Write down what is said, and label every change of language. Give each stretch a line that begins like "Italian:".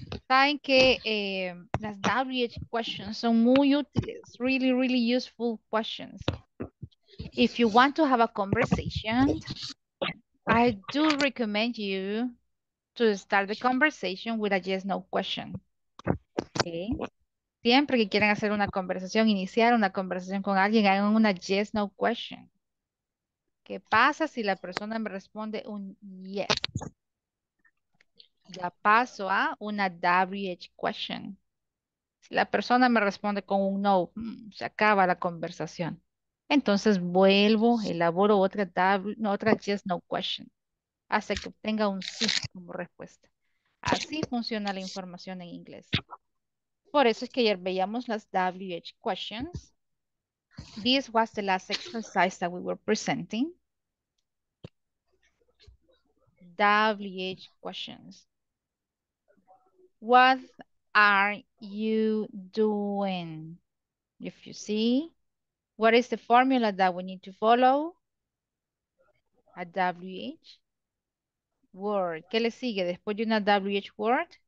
Spanish: Saben que las WH questions son muy útiles,
English: really, really useful questions. If you want to have a conversation, I do recommend you to start the conversation with a yes, no question. Okay.
Spanish: Siempre que quieran hacer una conversación, iniciar una conversación con alguien, hagan una yes, no question. ¿Qué pasa si la persona me responde un yes? Ya paso a una WH question. Si la persona me responde con un no, se acaba la conversación. Entonces vuelvo, elaboro otra yes, no question. Hasta que obtenga un sí como respuesta. Así funciona la información en inglés. Por eso es que ayer veíamos las WH questions.
English: This was the last exercise that we were presenting. WH questions. What are you doing? If you see, what is the formula that we need to follow? A WH word.
Spanish: ¿Qué le sigue después de una WH word?